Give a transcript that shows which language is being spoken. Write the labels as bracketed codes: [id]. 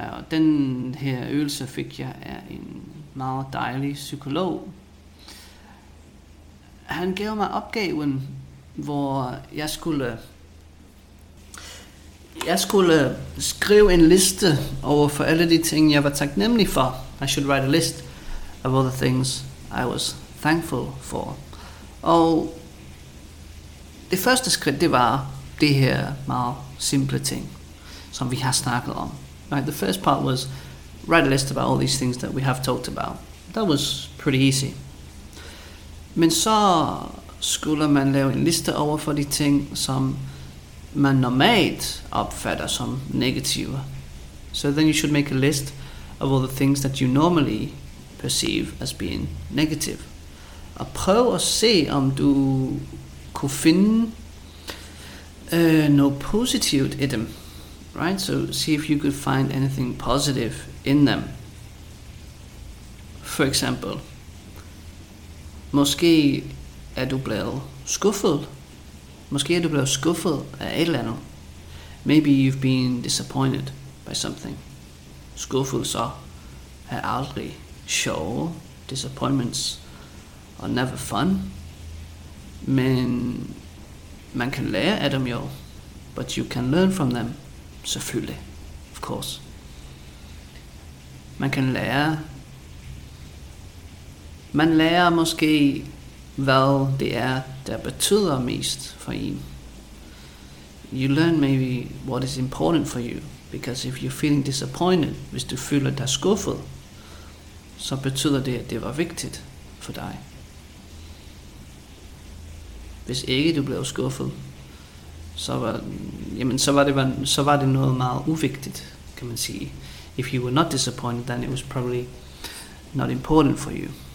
[da] Den her øvelse fik jeg af en meget dejlig psykolog. Han gav mig opgaven, hvor jeg skulle skrive en liste over for alle de ting, jeg var taknemmelig for. [en] I should write a list of all the things I was thankful for. [da] Og det første skridt, det var det her meget simple ting, som vi har snakket om. [en] Right, the first part was write a list about all these things that we have talked about. That was pretty easy. [da] Men så skulle man lave en liste over for de ting, som man normalt opfatter som negative. [en] So then you should make a list of all the things that you normally perceive as being negative. [da] Og prøv at se, om du kunne finde noget positivt i dem. [en] Right, so see if you could find anything positive in them. For example, [da] måske er du blevet skuffet. Måske er du blevet skuffet af et eller andet. [en] Maybe you've been disappointed by something. [da] Skuffelser er aldrig sjove. [en] Disappointments are never fun. [da] Men man kan lære af dem jo. [en] But you can learn from them. Selvfølgelig, of course. [da] Man kan lære. Man lærer måske, hvad det er, der betyder mest for en. [en] You learn maybe what is important for you, because if you're feeling disappointed, [da] hvis du føler dig skuffet, [en] så betyder det, at det var vigtigt for dig. [da] Hvis ikke du blev skuffet, så var det noget meget uvigtigt, kan man sige. [en] If you were not disappointed, then it was probably not important for you.